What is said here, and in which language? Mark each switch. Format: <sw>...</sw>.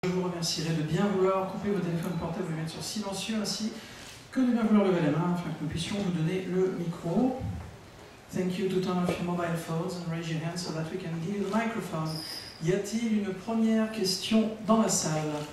<fr>remercierai de bien vouloir couper vos téléphones portables et mettre sur silencieux ainsi que de bien vouloir lever la main afin que nous puissions vous donner le micro.</fr> <en>Thank you to turn off your mobile phones and raise your hand so that we can give you the microphone.</en> <fr>Y a-t-il une première question dans la salle?</fr>